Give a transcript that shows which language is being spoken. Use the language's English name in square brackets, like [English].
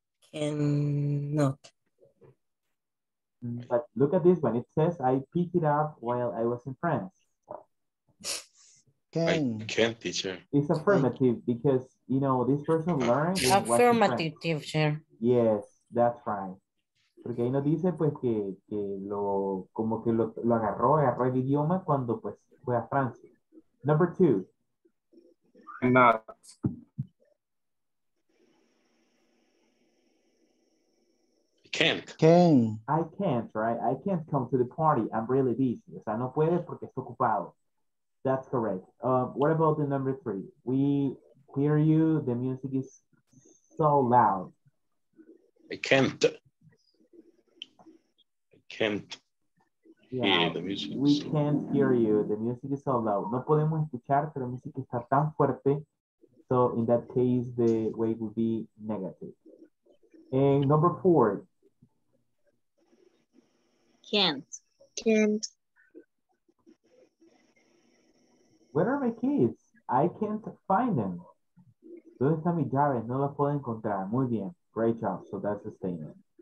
[English] Cannot. But look at this one. It says I picked it up while I was in France. Can. I can, teacher. It's affirmative because, you know, this person learned. Affirmative, teacher. Yes, that's right. [Spanish] Porque ahí nos dice, pues, que lo, como que lo agarró el idioma cuando, pues, fue a Francia. [English] Number two. Cannot. Can't. Can. I can't, right? I can't come to the party. I'm really busy. O sea, no puede porque estoy ocupado. That's correct. What about the number three? We hear you. The music is so loud. I can't. I can't hear the music. We can't hear you. The music is so loud. [Spanish] No podemos escuchar, pero la música está tan fuerte. [English] So in that case, the weight would be negative. And number four. Can't. Where are my kids? I can't find them. ¿Dónde está mi llave? No la puedo encontrar. Muy bien. Great job. So that's the statement.